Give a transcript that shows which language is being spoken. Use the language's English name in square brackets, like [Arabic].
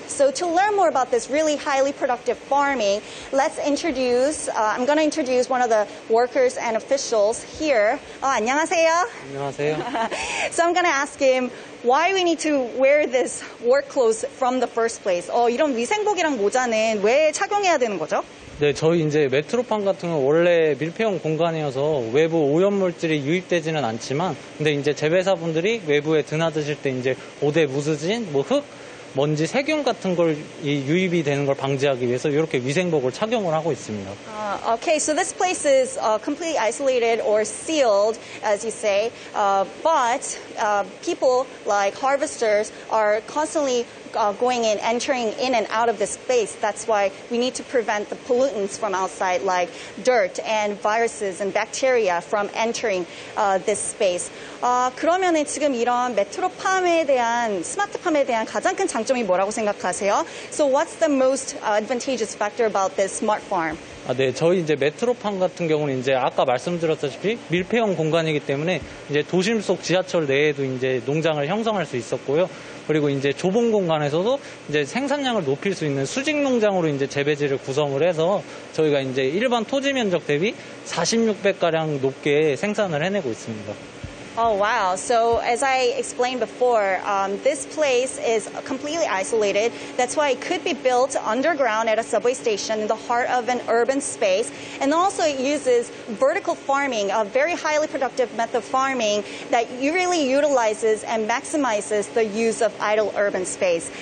[English] So to learn more about this really highly productive farming, I'm going to introduce one of the workers and officials here. [Korean] 안녕하세요. 안녕하세요. [English] So I'm going to ask him why we need to wear this work clothes from the first place. [Korean] 이런 위생복이랑 모자는 왜 착용해야 되는 거죠? 네, 저희 이제 메트로팜 같은 건 원래 밀폐형 공간이어서 외부 오염물질이 유입되지는 않지만, 근데 이제 재배사분들이 외부에 드나드실 때 이제 오대 무수진, 뭐 흙, 먼지, 세균 같은 걸 유입이 되는 걸 방지하기 위해서 이렇게 위생복을 착용을 하고 있습니다. [English] Okay, so this place is completely isolated or sealed, as you say, but people like harvesters are constantly going in, entering in and out of this space. That's why we need to prevent the pollutants from outside, like dirt and viruses and bacteria from entering this space. [Korean] 그러면은 지금 이런 메트로팜에 대한 스마트팜에 대한 가장 큰 장점이 뭐라고 생각하세요? [English] So what's the most advantageous factor about this smart farm? [Korean] 아, 네, 저희 이제 메트로팜 같은 경우는 이제 아까 말씀드렸다시피 밀폐형 공간이기 때문에 이제 도심 속 지하철 내에도 이제 농장을 형성할 수 있었고요. 그리고 이제 좁은 공간에서도 이제 생산량을 높일 수 있는 수직 농장으로 이제 재배지를 구성을 해서 저희가 이제 일반 토지 면적 대비 46배 가량 높게 생산을 해내고 있습니다. [English] Oh, wow. So as I explained before, this place is completely isolated. That's why it could be built underground at a subway station in the heart of an urban space. And also it uses vertical farming, a very highly productive method of farming that really utilizes and maximizes the use of idle urban space.